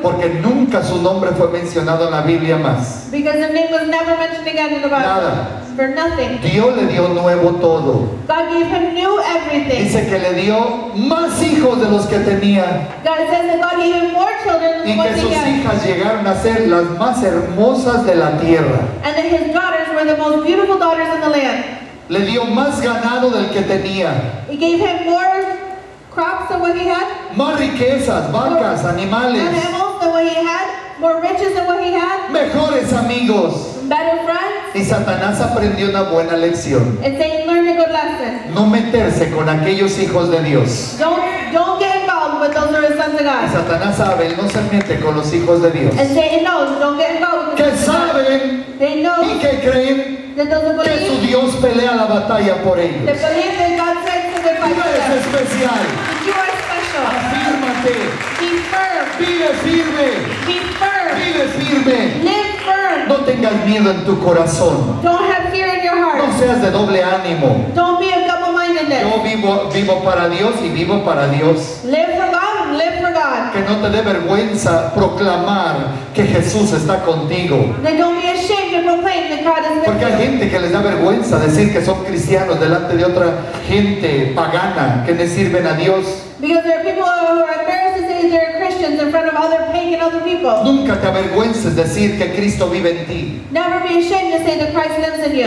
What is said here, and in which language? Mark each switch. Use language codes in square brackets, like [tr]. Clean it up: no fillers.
[es] Porque nunca su nombre fue mencionado en la Biblia más. [en] Because the name was never mentioned again in the Bible. [es] Nada. [en] For nothing. [es] Dios le dio nuevo todo. [en] God gave him new everything. [es] Dice que le dio más hijos de los que tenía. [en] God says that God gave him more children than [es] y que sus [en] again. [es] Hijas llegaron a ser las más hermosas de la tierra. [en] And that his daughters were the most beautiful daughters in the land. [es] Le dio más ganado del que tenía. [en] He gave him more crops than what he had. [es] Más riquezas, vacas, animales. [en] More animals than what he had. More riches than what he had. [es] Mejores amigos. [en] Better friends. [es] Y Satanás aprendió una buena lección. [en] And Satan learned a good lesson. [es] No meterse con aquellos hijos de Dios. [en] Don't get involved with those who are sons of God. [es] Y Satanás sabe, no se mete con los hijos de Dios. [en] And Satan knows, don't get involved with those who are sons of God. They know. [es] Y que creen [en] that those who believe, [es] que su Dios pelea la batalla por ellos. [en] They believe that God fights for their fight. [es] Tú eres especial. [en] You are special. [es] Afírmate. [en] Be firm. [es] Vive firme. [en] Be firm. [es] Vive firme. [en] Live firm. [es] No tengas miedo en tu corazón. [en] Don't have fear in your heart. [es] No seas de doble ánimo. [en] Don't be a double-mindedness. [es] Yo vivo para Dios y vivo para Dios. [en] Live for God. Live for God. [es] Que no te dé vergüenza proclamar que Jesús está contigo. [en] Then don't be ashamed to proclaim that God is with [es] porque hay [en] you. [es] Gente que les da vergüenza decir que son cristianos delante de otra gente pagana que le sirven a Dios. [en] Because there are people who are embarrassed to say they're Christians in front of other pagan other people. [es] Nunca te avergüences decir que Cristo vive en ti. [en] Never be ashamed to say that Christ lives in you.